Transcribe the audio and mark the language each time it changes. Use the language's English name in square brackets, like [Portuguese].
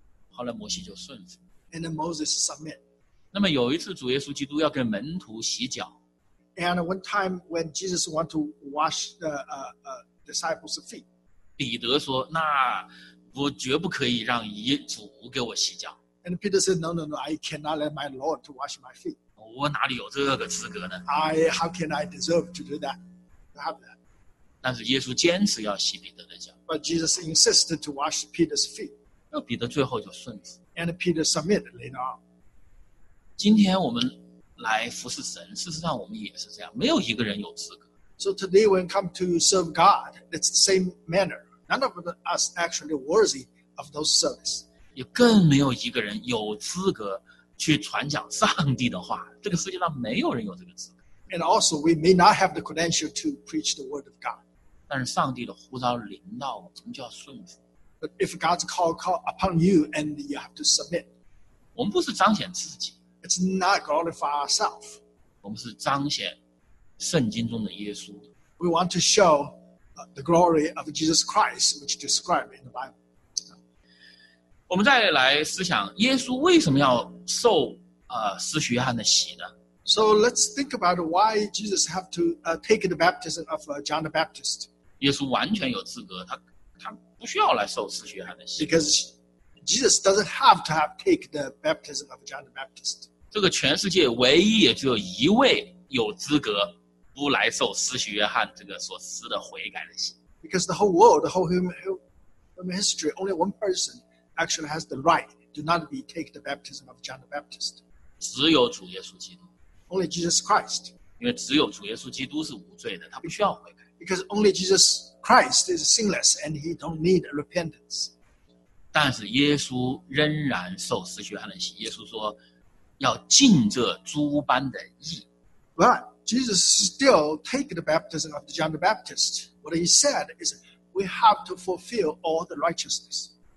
[Chinese] 后来摩西就顺服。 [English] And Moses submit. [Chinese] 那么有一次主耶稣基督要给门徒洗脚。 [English] And one time when Jesus want to wash the disciples' feet. [Chinese] 彼得说那我绝不可以让主给我洗脚。 [English] And Peter said, no, I cannot let my Lord to wash my feet. [Chinese] 我哪里有这个资格呢？ [English] How can I deserve to do that? To have that. [Chinese] 但是耶稣坚持要洗彼得的脚。 [English] But Jesus insisted to wash Peter's feet. [Chinese] 彼得最后就顺服。 [English] And Peter submitted later on. [Chinese] 今天我们来服侍神，事实上我们也是这样，没有一个人有资格。 [English] So today when we come to serve God, it's the same manner. None of us actually worthy of those service. [Chinese] 也更没有一个人有资格去传讲上帝的话，这个世界上没有人有这个资格。 [English] And also we may not have the credential to preach the word of God. [Chinese] 但是上帝的呼召临到我们就要顺服。 [English] But if God's call upon you, and you have to submit. [Chinese] 我们不是彰显自己。 [English] It's not glorify ourselves. [Chinese] 我们是彰显圣经中的耶稣。 [English] We want to show the glory of Jesus Christ, which is described in the Bible. [Chinese] 我们再来思想耶稣为什么要受施洗约翰的洗呢？ [English] So let's think about why Jesus have to take the baptism of John the Baptist. [Chinese] 耶稣完全有资格，他不需要来受施洗约翰的洗。 [English] Because Jesus doesn't have to have take the baptism of John the Baptist. [Chinese] 这个全世界唯一也只有一位有资格不来受施洗约翰这个所施的悔改的洗。 [English] Because the whole world, the whole human history, only one person actually has the right to not be take the baptism of John the Baptist. [Chinese] 只有主耶稣基督。 [English] Only Jesus Christ. [Chinese] 因为只有主耶稣基督是无罪的，他不需要悔改。 [English] Because only Jesus Christ is sinless and he don't need repentance. [Chinese] 但是耶稣仍然受施洗约翰的洗。耶稣说要尽这诸般的义。 [English] But Jesus still take the baptism of John the Baptist. What he said is we have to fulfill all the righteousness.